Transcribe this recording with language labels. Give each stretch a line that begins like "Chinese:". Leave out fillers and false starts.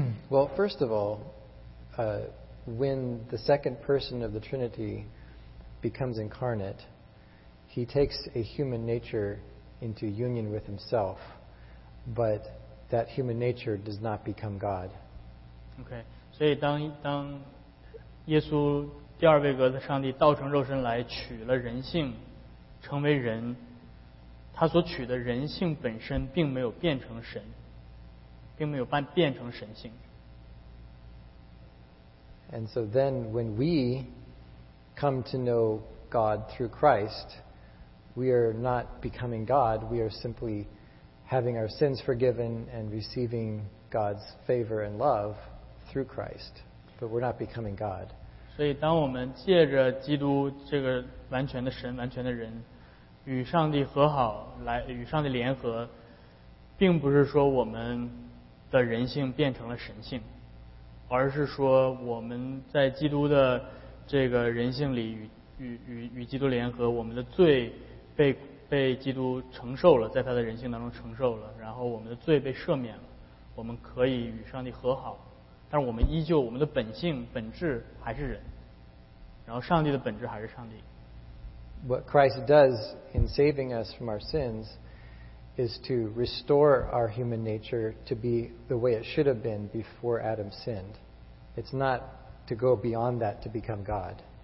English: well, first of all, when the second person of the Trinity becomes incarnate, he takes a human nature into union with himself, but... that human nature does not become God. Okay.
Chinese: 所以当耶稣第二位格的上帝道成肉身来取了人性成为人，他所取的人性本身并没有变成神，并没有变成神性。
English: And so then when we come to know God through Christ, we are not becoming God, we are simplyhaving our sins forgiven and receiving God's favor and love through Christ. But we're not becoming God.
Chinese: 所以当我们借着基督这个完全的神完全的人与上帝和好来与上帝联合，并不是说我们的人性变成了神性，而是说我们在基督的这个人性里与基督联合，我们的罪被基督承受了，在他的人性当中承受了，然后我们的罪被赦免了，我们可以与上帝和好，但是我们依旧我们的本性本质还是人，然后上帝的本质还是上帝。
English: What Christ does in saving us from our sins is to restore our human nature to be the way it should have been before Adam sinned. It's not to go beyond that to become God.